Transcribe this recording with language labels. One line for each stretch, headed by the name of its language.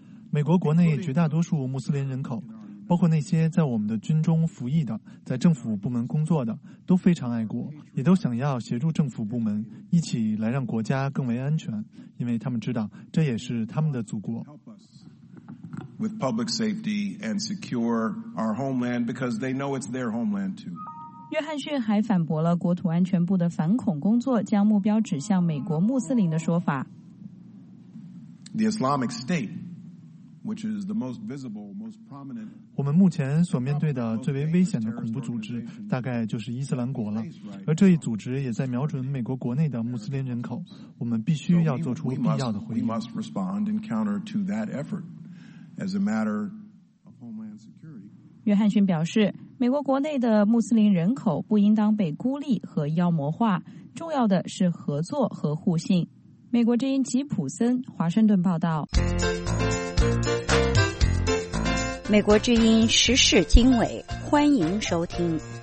Chinese: 美国国内绝大多数穆斯林人口，包括那些在我们的军中服役的，在政府部门工作的，都非常爱国，也都想要协助政府部门一起来让国家更为安全，因为他们知道这也是他们的祖国。
English: With public safety and secure our homeland because they know it's their homeland too.
Chinese: 约翰逊还反驳了国土安全部的反恐工作将目标指向美国穆斯林的说法。
English: The Islamic State, which is the most visible, most prominent.
Chinese: 我们目前所面对的最为危险的恐怖组织大概就是伊斯兰国了，而这一组织也在瞄准美国国内的穆斯林人口，我们必须要做出必要的回应。
English: We must respond and counter to that effort. As a matter of homeland security.
Chinese: 约翰逊表示，美国国内的穆斯林人口不应当被孤立和妖魔化，重要的是合作和互信。美国之音吉普森，华盛顿报道。美国之音时事经纬，欢迎收听。